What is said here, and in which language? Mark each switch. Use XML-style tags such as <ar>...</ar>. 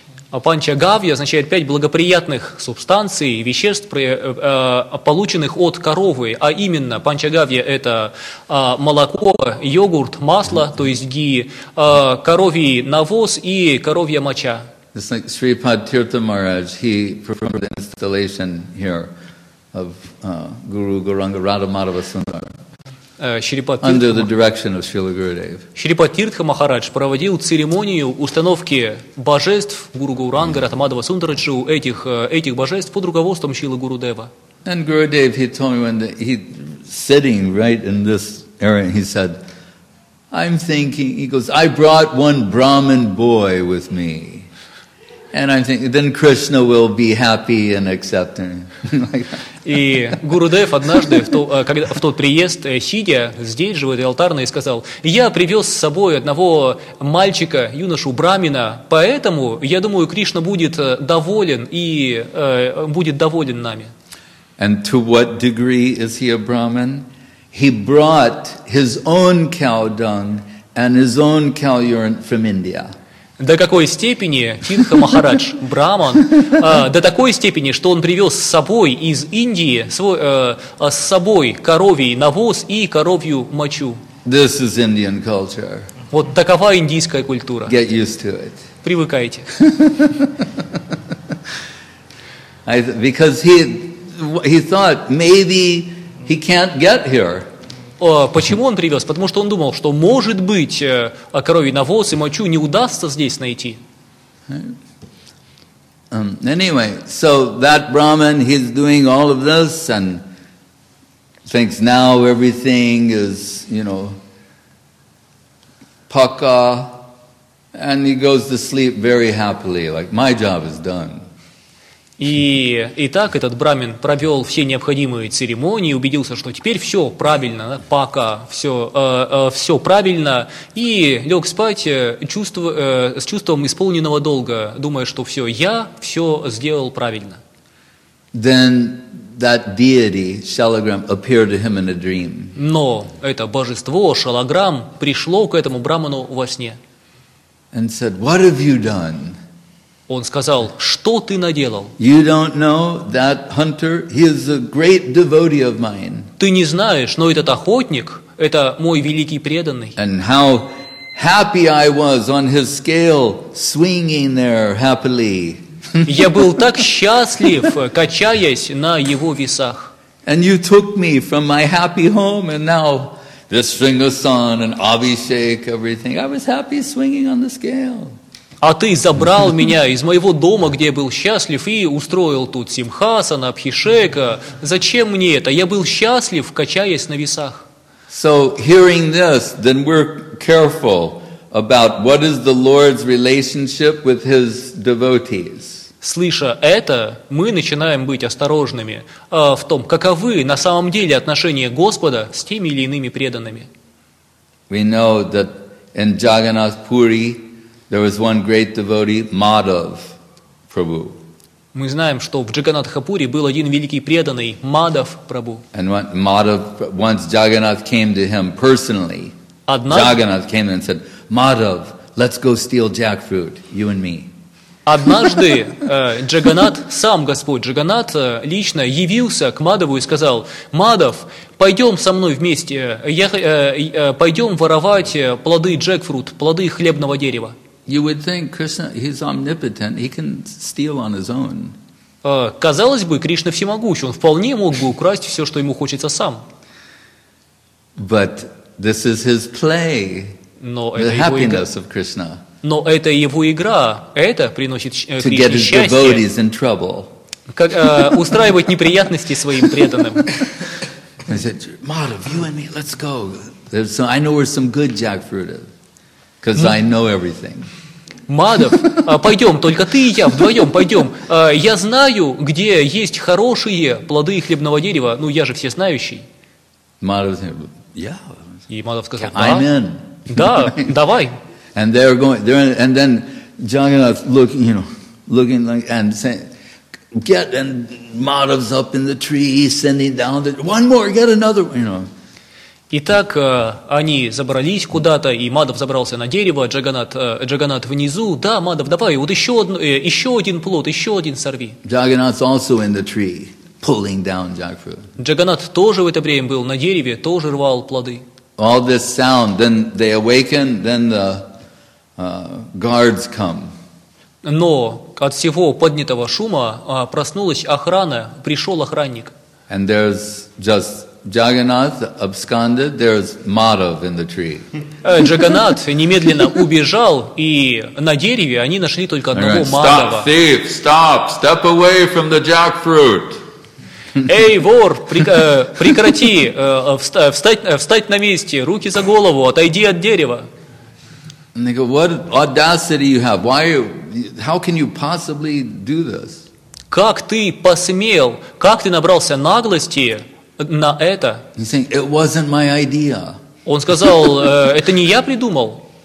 <ru>Панчагавья означает пять благоприятных субстанций, веществ, полученных от коровы, а именно панчагавья – это молоко, йогурт, масло, то есть ги, коровий навоз и коровья моча.</ru> <en>It's like Shripad Tirtha Maharaj, he performed an installation here of Guru Gauranga Radha Madhava Sundar. Under the direction of Srila Gurudev.</en> <ru>Шрипатиртха Махарадж проводил церемонию установки божеств Гуру Гауранга Ратамадава Сундараджу этих божеств под руководством Шрилы Гурудева.</ru> <en>And Gurudev, he told me when he sitting right in this area, he said, I'm thinking, he goes, I brought one Brahmin boy with me. And I'm thinking, then Krishna will be happy and accept him.</en> <ru>И Гурудев однажды, в тот приезд, сидя здесь же, в этой алтарной, сказал, я привез с собой одного мальчика, юношу брамина, поэтому, я думаю, Кришна будет доволен и будет доволен нами.</ru> <en>And to what degree is he a Brahmin? He brought his own cow dung and his own cow urine from India.</en> <ru>До какой степени Тирха Махарадж, браман, до такой степени, что он привез с собой из Индии с собой коровий навоз и коровью мочу.</ru> <en>This is Indian culture.</en> <ru>Вот такова индийская культура.</ru> <en>Get used to it.</en> <ru>Привыкайте.</ru> <en>Because he thought maybe he can't get here.</en> <ru>Почему он привез? Потому что он думал, что, может быть, коровий навоз и мочу не удастся здесь найти.</ru> <en>Anyway, so that Brahmin, he's doing all of this and thinks now everything is, you know, pukka, and he goes to sleep very happily, like, my job is done.</en> <ru>И так этот брамин провел все необходимые церемонии, убедился, что теперь все правильно, пака, все правильно, и лег спать с чувством исполненного долга, думая, что все, я все сделал правильно.</ru> <en>Then that deity, Shalagram, appeared to him in a dream.</en> <ru>Но это божество, Шалаграм, пришло к этому браману во сне.</ru> <en>And said, what have you done?</en> <ru>Он сказал, что ты наделал?</ru> <en>You don't know that hunter, he is a great devotee of mine.</en> <ru>Ты не знаешь, но этот охотник, это мой великий преданный.</ru> <en>And how happy I was on his scale, swinging there happily.</en> <ru>Я был так счастлив, качаясь на его весах.</ru> <en>And you took me from my happy home, and now the string of sun and Abhishek, everything. I was happy swinging on the scale.</en> <ru>А ты забрал меня из моего дома, где я был счастлив, и устроил тут симхасана, абхишека. Зачем мне это? Я был счастлив, качаясь на весах.</ru> <en>So, hearing this, then we're careful about what is the Lord's relationship with His devotees.</en> <ru>Слыша это, мы начинаем быть осторожными в том, каковы на самом деле отношения Господа с теми или иными преданными.</ru> <en>We know that in Jagannath Puri, there was one great devotee, Madhav Prabhu.</en> <ru>Мы знаем, что в Джаганнатхапуре был один великий преданный, Мадхав Прабху.</ru> <en>And when Madhav, once Jagannath came to him personally,</en> <ru>однажды,</ru> <en>Jagannath came and said, Madhav, let's go steal jackfruit, you and me.</en> <ru>Однажды Джаганнат, сам Господь Джаганнат, лично явился к Мадхаву и сказал, Мадхав, пойдем со мной вместе, пойдем воровать плоды джекфрут, плоды хлебного дерева.</ru> <en>You would think Krishna, he's omnipotent, he can steal on his own.</en> <ru>Казалось бы, Кришна всемогущ, он вполне мог бы украсть все, что ему хочется сам.</ru> <en>But this is his play, the happiness of Krishna.</en> <ru>Но это его игра, это приносит Кришне счастье.</ru> <en>To get his devotees in trouble.</en> <ru>Как устраивать неприятности своим преданным.</ru> <en>I said, Madhav, you and me, let's go. Some, I know where some good jackfruit is. Because I know everything.</en> <ru>Мадхав, пойдем, только ты и я, вдвоем, пойдем. Я знаю, где есть хорошие плоды хлебного дерева. Ну, я же всезнающий. Мадхав сказал,</ru> <en>yeah.</en> <ru>И Мадхав сказал, да.</ru> <en>I'm in.</en> <ru>Да, давай.</ru> <en>And they're going, they're in, and then Jagannath looking, you know, looking like, and saying, get, and Madhav's up in the tree, sending down the, one more, get another, you know.</en> <ru>Итак, они забрались куда-то, и Мадхав забрался на дерево, Джаганнат внизу. Да, Мадхав, давай, вот еще один плод, еще один сорви.</ru> <en>Jagannath's also in the tree, pulling down jackfruit.</en> <ru>Джаганнат тоже в это время был на дереве, тоже рвал плоды.</ru> <en>All this sound, then they awaken, then the guards come.</en> <ru>Но от всего поднятого шума проснулась охрана, пришел охранник.</ru> <en>And there's just Jagannath absconded, there's Madhav in the tree.</en> <ru>Джаганнат немедленно убежал, и на дереве они нашли только одного Мадхава.</ru> <en>Stop, thief, stop, step away from the jackfruit.</en> <ru>Эй, вор, прекрати, встать на месте, руки за голову, отойди от дерева.</ru> <en>And they go, what audacity you have, why, how can you possibly do this?</en> <ru>Как ты посмел, как ты набрался наглости на это?</ru> <en>He's saying, it wasn't my idea.</en> <ru>Он сказал, это не я придумал.</ru>